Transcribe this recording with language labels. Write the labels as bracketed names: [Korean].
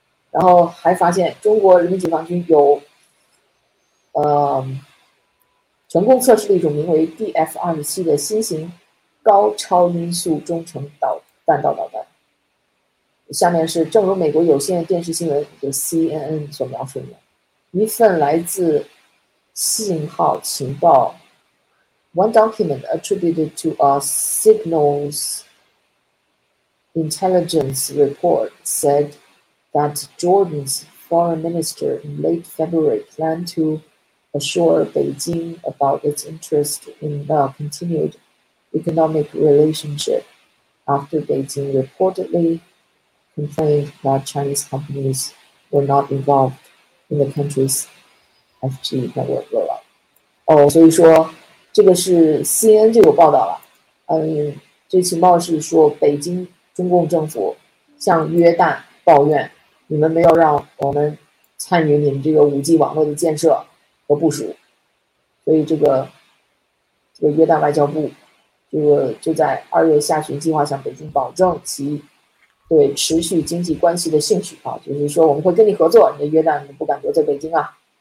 [Chinese] 然后还发现中国人民解放军有成功测试了一种名为 DF-27 的新型高超音速中程弹道导弹。下面是正如美国有线电视新闻的 CNN 所描述的一份来自信号情报。 [English] One document attributed to a signals intelligence report said that Jordan's foreign minister in late February planned to assure Beijing about its interest in the continued economic relationship after Beijing reportedly complained that Chinese companies were not involved in the country's 5G network rollout. [Chinese] 所以说这个是 CNN 就有报道了，这情报是说北京中共政府向约旦抱怨，你们没有让我们参与你们这个 5G 网络的建设和部署，所以这个约旦外交部就在二月下旬计划向北京保证其对持续经济关系的兴趣啊，就是说我们会跟你合作，你的约旦不敢得罪北京啊。